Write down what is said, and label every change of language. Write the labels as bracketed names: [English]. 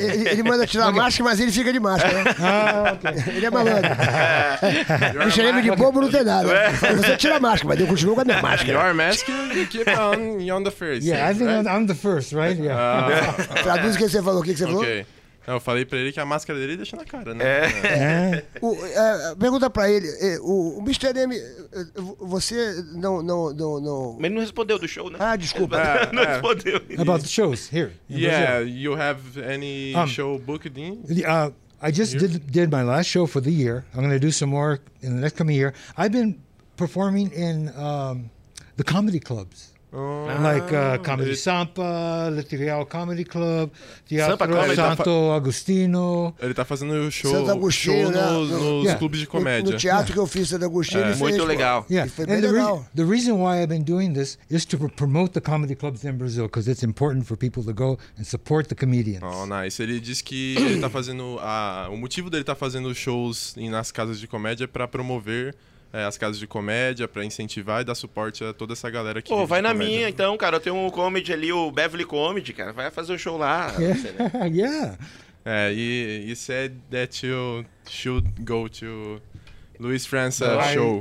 [Portuguese] Ele manda tirar a máscara, mas ele fica de máscara. [English] Okay. [Portuguese] Ele é malandro. Michel de bobo não tem nada. Você tira a máscara, mas eu continuo com a minha máscara. [English] Your mask, you keep on, you're the first. Yeah, right? I think I'm the first, right? Yeah. [Portuguese] Traduz o que você falou, Okay. Eu falei pra ele que a máscara dele deixa na cara, né? Pergunta pra ele, o Mr. M, você não... Mas ele não respondeu do show, né? Ah, desculpa. Não respondeu. [English] About the shows here. Brazil. You have any show booked in? I just did my last show for the year. I'm going to do some more in the next coming year. I've been performing in the comedy clubs. Comedy Sampa, Letrial Comedy Club, Teatro Santo Agostinho. [Portuguese] Ele tá fazendo show nos clubes de comédia. No teatro que eu fiz Santo Agostinho. Muito legal. [English] The reason why I've been doing this is to promote the comedy clubs in Brazil, because it's important for people to go and support the comedians. Oh, nice. [Portuguese] Ele disse que ele tá fazendo. O motivo dele tá fazendo shows nas casas de comédia é pra promover as casas de comédia, pra incentivar e dar suporte a toda essa galera que... Pô, vai na minha, então, cara. Eu tenho um comedy ali, o Beverly Comedy, cara. Vai fazer um show lá. [English] He said that you should go to Luiz França show.